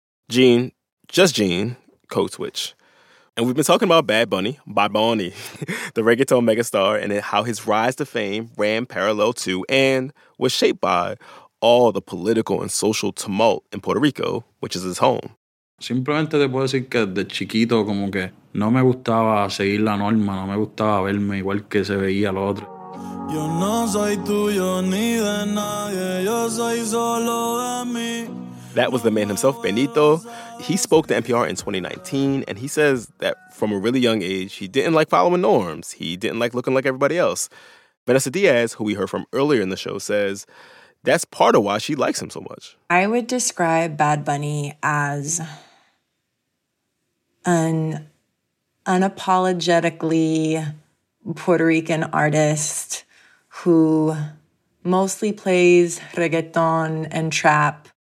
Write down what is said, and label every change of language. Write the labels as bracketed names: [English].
[English] Jean, just Jean, code switch. And we've been talking about Bad Bunny, Bad Bunny, the reggaeton megastar, and how his rise to fame ran parallel to and was shaped by all the political and social tumult in Puerto Rico, which is his home. [Spanish] Simplemente te puedo decir que de chiquito como que no me gustaba seguir la norma, no me gustaba verme igual que se veía lo otro. Yo no soy tuyo ni de nadie, yo soy solo de mí. [English] That was the man himself, Benito. He spoke to NPR in 2019, and he says that from a really young age, he didn't like following norms. He didn't like looking like everybody else. Vanessa Diaz, who we heard from earlier in the show, says that's part of why she likes him so much. I would describe Bad Bunny as an unapologetically Puerto Rican artist who mostly plays reggaeton and trap.